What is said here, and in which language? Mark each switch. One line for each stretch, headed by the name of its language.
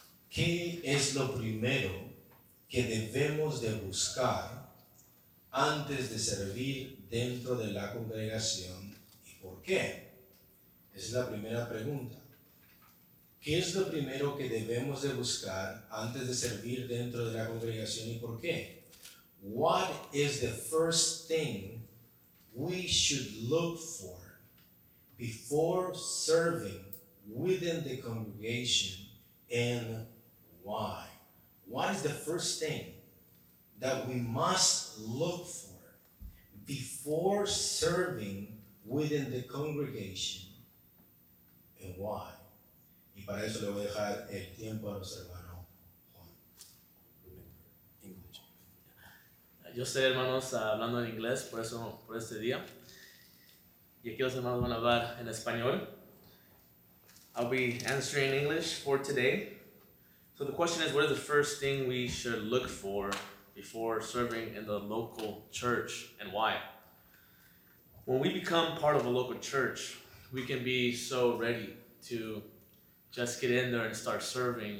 Spanish: ¿Qué es lo primero que debemos de buscar antes de servir dentro de la congregación y por qué? Es la primera pregunta. ¿Qué es lo primero que debemos de buscar antes de servir dentro de la congregación y por qué?
English: What is the first thing we should look for before serving within the congregation, and why? What is the first thing that we must look for before serving within the congregation, and why?
Spanish: Y para eso le voy a dejar el tiempo a nuestro hermano Juan.
English: English.
Spanish: Yo sé, hermanos, hablando en inglés, por eso, por este día. Y aquí los hermanos van a hablar en español.
English: I'll be answering in English for today. So the question is, what is the first thing we should look for before serving in the local church and why? When we become part of a local church, we can be so ready to just get in there and start serving.